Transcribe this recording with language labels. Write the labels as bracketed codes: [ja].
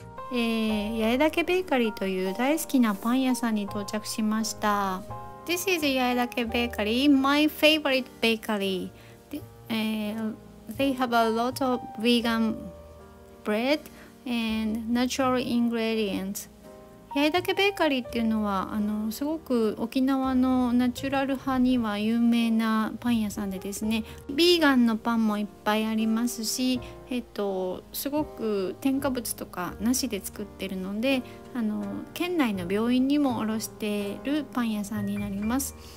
[ja] 八重岳ベーカリーという大好きなパン屋さんに到着しました。 [en] This is 八重岳ベーカリー、 My favorite bakery. They have a lot of vegan bread and natural ingredients. [ja] 八重岳ベーカリーっていうのはすごく沖縄のナチュラル派には有名なパン屋さんでですね、ビーガンのパンもいっぱいありますし、すごく添加物とかなしで作ってるので、県内の病院にも卸してるパン屋さんになります。